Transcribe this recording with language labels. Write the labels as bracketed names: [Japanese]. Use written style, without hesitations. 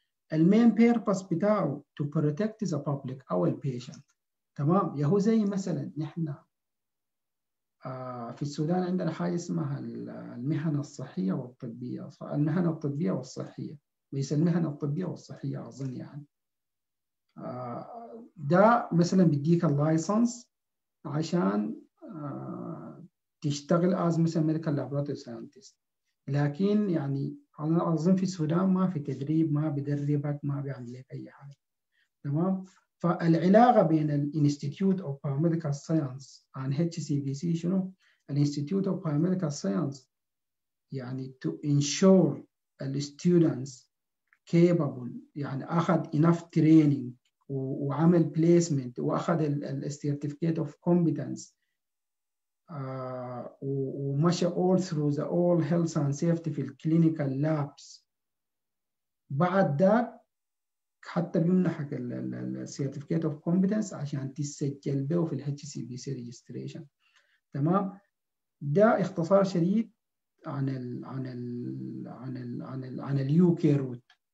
[English] The main purpose [Arabic] بتاعه [English] to protect the public or the patient. [Arabic] تمام؟ يهو زي مثلا نحن في السودان عندنا حاجة اسمها المهنة الصحية والطبية، المهنة الطبية والصحية، ليس المهنة الطبية والصحية أظن يعني. ده مثلا بديك اللايسنس عشان تشتغل as مثلا medical laboratory scientist، لكن يعني على أظن في السودان ما في تدريب، ما بيدربك، ما بيعمل لك أي حاجة، تمام. فالعلاقة بين ال Institute of Biomedical Science and HCBC شنو؟ ال Institute of Biomedical Science يعني [English] to ensure the students capable، [Arabic] يعني أخذ [English] enough training [Arabic] وعمل placement وأخذ ال [English] certificate of competence [Arabic] ومشى [English] all through the all health and safety [Arabic] في الكلينيكال لابس، بعد ذلك حتى بيمنحك [English] certificate of competence [Arabic] عشان تسجل به في HCBC registration، تمام. ده اختصار شديد عن الـ عن الـ عن الـ عن الـ عن الـ UK route.